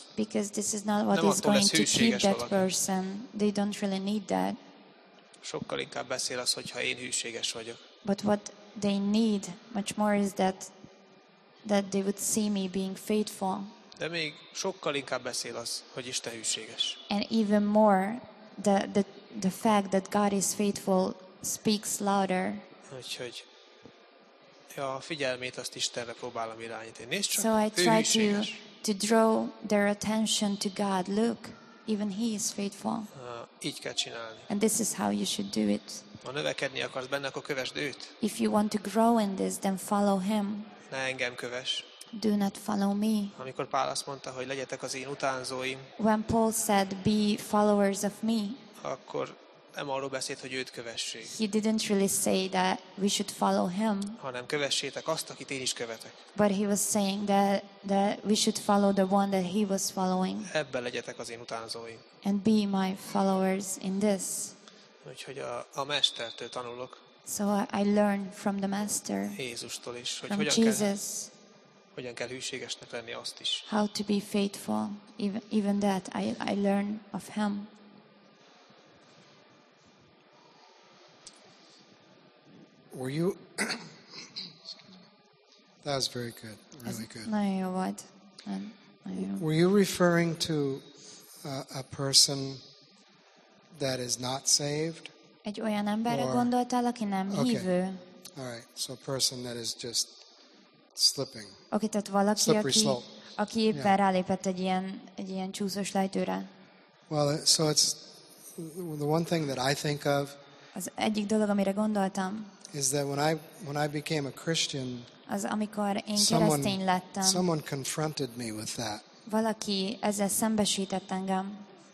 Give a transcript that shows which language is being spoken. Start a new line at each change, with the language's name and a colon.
English: Because this is not what is going to keep that person. They don't really need that.
Hungarian: Sokkal inkább beszél az, hogyha én hűséges vagyok.
English: But what they need much more is that they would see me being faithful.
Hungarian: De még sokkal inkább beszél az, hogy Isten hűséges.
English: And even more the fact that God is faithful speaks louder.
Hungarian: Úgyhogy ja, a figyelmét azt Istenre próbálom irányítani. Nézd csak,
English: so I try to draw their attention to God. Look, even he is faithful.
Hungarian: Így kell csinálni.
English: And this is how you should do it.
Hungarian: Ha növekedni akarsz benne, akkor kövesd őt.
English: If you want to grow in this, then follow him.
Hungarian: Ne engem kövess.
English: Do not follow me.
Hungarian: Amikor Pál azt mondta, hogy legyetek az én utánzóim.
English: When Paul said, be followers of me.
Hungarian: Akkor nem arról beszélt, hogy őt kövessék.
English: He didn't really say that we should follow him.
Hungarian: Hanem kövessétek azt, akit én is követek.
English: But he was saying that we should follow the one that he was following.
Hungarian: Ebben legyetek az én utánzóim.
English: And be my followers in this.
Hungarian: Úgyhogy a mestertől tanulok.
English: So I learn from the master.
Hungarian: Jézustól is, hogy hogyan Jesus. Hogyan kell hűségesnek lenni azt is.
English: How to be faithful. Even that I learn of him. Were you? That was very good, really good. No, you what? Were you referring to a person that is not saved?
Hungarian: Egy olyan emberre gondoltál, aki nem hívő.
English: Okay. All right. So a person that is just slipping.
Hungarian: Okay, tehát valaki, aki éppen rálépett egy ilyen csúszós lejtőre.
English: Well, so it's the one thing that I think of.
Hungarian: Az egyik dolog, amire gondoltam.
English: Is that when I became a Christian,
Hungarian: az amikor én keresztény lettem,
English: someone confronted me with that.
Hungarian: Valaki ezzel szembesített engem.